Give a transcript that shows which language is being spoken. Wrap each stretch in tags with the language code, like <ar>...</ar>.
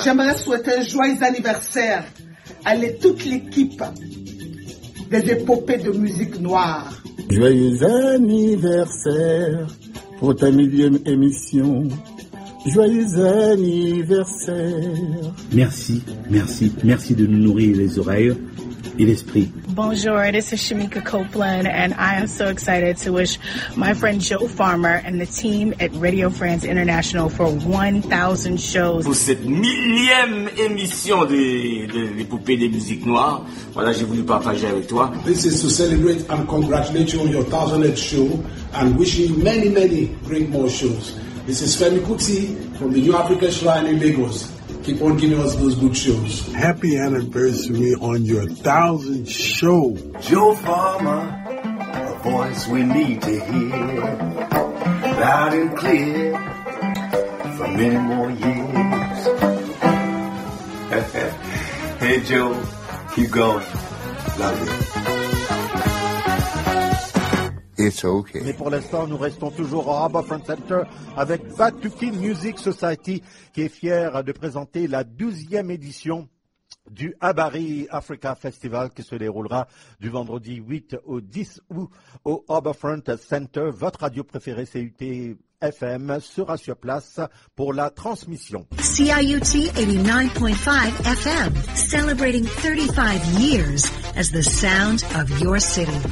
<fr>J'aimerais souhaiter un joyeux anniversaire à toute l'équipe des épopées de musique noire. Joyeux anniversaire pour ta millième émission. Joyeux anniversaire. Merci, merci, merci de nous nourrir les oreilles et l'esprit.</fr> <en>Bonjour, this is Shamika Copeland and I am so excited to wish my friend Joe Farmer and the team at Radio France International for 1,000 shows.</en> <fr>Pour cette millième émission de l'épopée des musiques noires, voilà, j'ai voulu partager avec toi.</fr> <en>This is to celebrate and congratulate you on your 1,000th show and wishing you many, many great more shows. This is Femi Kuti from the New Africa Shrine in Lagos. Keep on giving us those good shows. Happy anniversary on your 1,000th show. Joe Farmer, a voice we need to hear. Loud and clear for many more years. Hey Joe, keep going. Love you. It's okay.</en> <fr>Mais pour l'instant, nous restons toujours au Harbour Front Center avec Batuki Music Society qui est fier de présenter la 12e édition du Abari Africa Festival qui se déroulera du vendredi 8 au 10 août au Harbour Front Center. Votre radio préférée, CUT FM, sera sur place pour la transmission. CIUT 89.5 FM, celebrating 35 years as the sound of your city.</fr>